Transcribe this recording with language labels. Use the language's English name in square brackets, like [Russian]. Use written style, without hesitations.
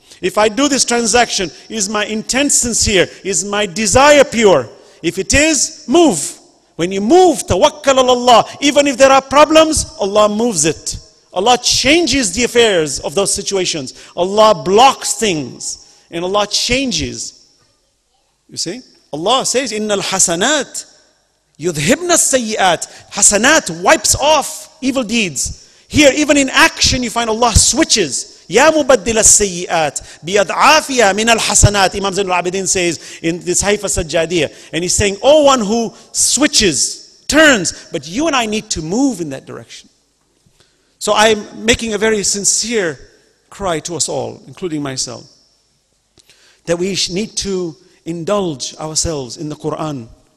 [English] If I do this transaction, is my intent sincere? Is my desire pure? If it is, move. When you move, tawakkal ala Allah. Even if there are problems, Allah moves it. Allah changes the affairs of those situations. Allah blocks things and Allah changes. You see? Allah says, [Arabic] إِنَّ الْحَسَنَاتِ يُذْهِبْنَ السَّيِّئَاتِ. [English] Hasanat wipes off evil deeds. Here, even in action, you find Allah switches. [Arabic] يَا مُبَدِّلَ السَّيِّئَاتِ بِيَدْعَافِيَا مِنَ الْحَسَنَاتِ. [English] Imam Zainul Abidin says in the Sahifa Sajjadiyah. And he's saying, O one who switches, turns. But you and I need to move in that direction. So I'm making a very sincere cry to us all, including myself, that we need to indulge ourselves in the Quran.